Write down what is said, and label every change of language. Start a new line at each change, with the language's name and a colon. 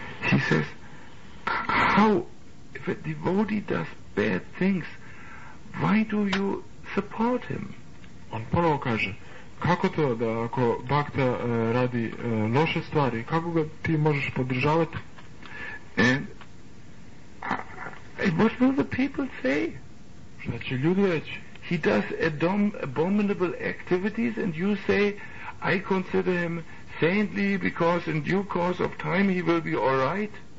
English: He says, how if a devotee does bad things, why do you support him?
Serbian: On ponovo kaže, kako to da ako bhakta radi loše stvari, kako ga ti možeš podržavati?
English: And what will the people say?
Serbian: Šta će ljudi reći?
English: He does abominable activities and you say I consider him saintly because in due course of time he will be all right.